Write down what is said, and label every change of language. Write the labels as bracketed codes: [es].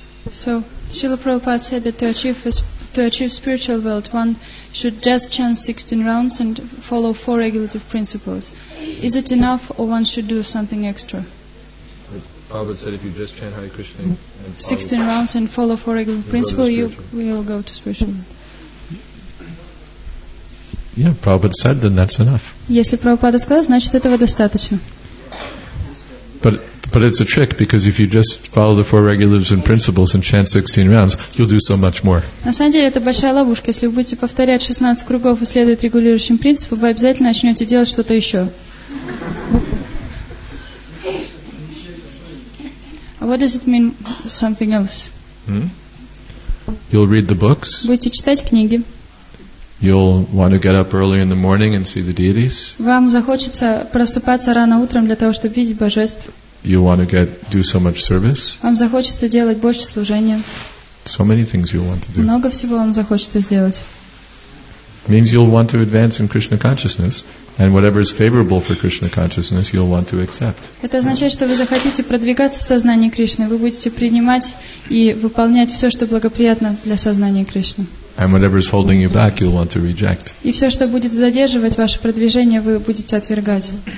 [en] So Srila Prabhupada said that to achieve spiritual wealth, one should just chant 16 rounds and follow 4 regulative principles. Is it enough, or one should do something extra? Prabhupada said, if you just chant Hare Krishna, and 16 rounds and follow 4 regulative principles, you will go to spiritual. Yeah, Prabhupada said, then that's enough. [ru] Если Прабхупада сказал, значит этого достаточно. [en] But it's a trick, because if you just follow the 4 regulatives and principles and chant 16 rounds, you'll do so much more. [ru] На самом деле это большая ловушка. Если вы будете повторять 16 кругов и следовать регулирующим принципам, вы обязательно начнете делать что-то еще. [en] What does it mean, something else? You'll read the books. [ru] Будете читать книги. [en] You'll want to get up early in the morning and see the deities. [ru] Вам захочется просыпаться рано утром для того, чтобы видеть божеств. [en] You want to do so much service. [ru] Вам захочется делать больше служения. [en] So many things you want to do. [ru] Много всего вам захочется сделать. [en] Means you'll want to advance in Krishna consciousness, and whatever is favorable for Krishna consciousness, you'll want to accept. [ru] Это означает, что вы захотите продвигаться в сознании Кришны, вы будете принимать и выполнять все, что благоприятно для сознания Кришны. [en] And whatever is holding you back, you'll want to reject. [ru] И все, что будет задерживать ваше продвижение, вы будете отвергать.